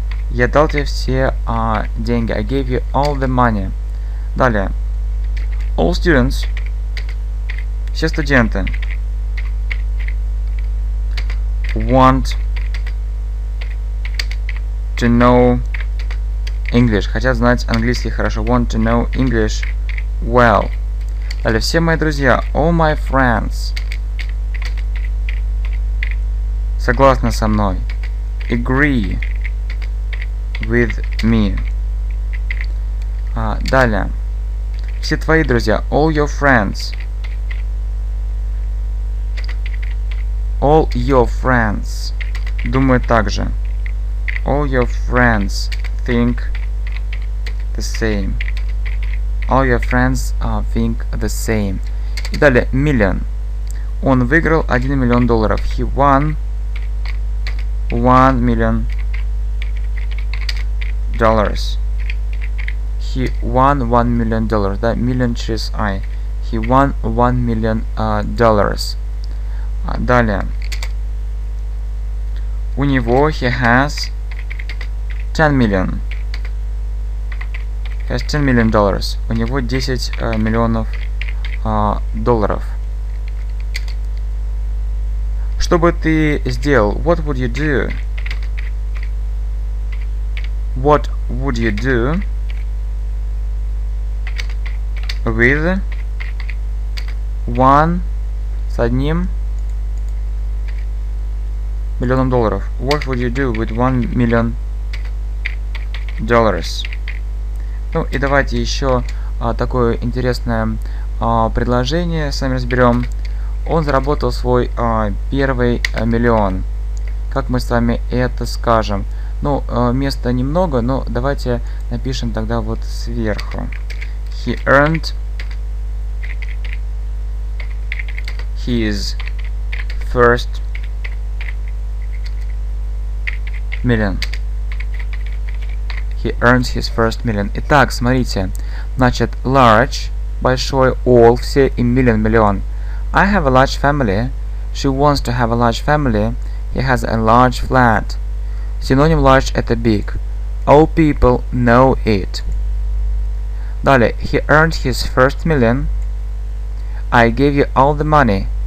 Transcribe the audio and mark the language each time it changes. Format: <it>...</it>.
<ru>Я дал тебе все деньги.</ru> <en>I gave you all the money.</en> <ru>Далее.</ru> <en>All students.</en> <ru>Все студенты.</ru> <en>Want to know English.</en> <ru>Хотят знать английский хорошо.</ru> <en>Want to know English well.</en> <ru>Далее. Все мои друзья.</ru> <en>All my friends.</en> <ru>Согласны со мной.</ru> <en>Agree with me.</en> <ru>Далее. Все твои друзья.</ru> <en>All your friends. All your friends.</en> <ru>Думаю так же.</ru> <en>All your friends think the same. All your friends think the same.</en> <ru>И далее. Million. Он выиграл 1 миллион долларов.</ru> <en>He won 1 million dollars. He won 1 million dollars.</en> <ru>Да, million через I.</ru> <en>He won 1 million dollars.</en> <ru>Далее. У него</ru> <en>he has 10 million. He has 10 million dollars.</en> <ru>У него 10 миллионов долларов. Что бы ты сделал?</ru> <en>What would you do? What would you do with one</en> <ru>с одним миллионом долларов?</ru> <en>What would you do with 1 million dollars?</en> <ru>Ну и давайте еще такое интересное предложение с вами разберем. Он заработал свой первый миллион. Как мы с вами это скажем? Ну, места немного, но давайте напишем тогда вот сверху.</ru> <en>He earned his first million. He earned his first million.</en> <ru>Итак, смотрите. Значит, large, большой, all, все и million, миллион.</ru> <en>I have a large family. She wants to have a large family. He has a large flat.</en> <ru>Синоним large – это big.</ru> <en>All people know it.</en> <ru>Далее.</ru> <en>He earned his first million. I gave you all the money.</en>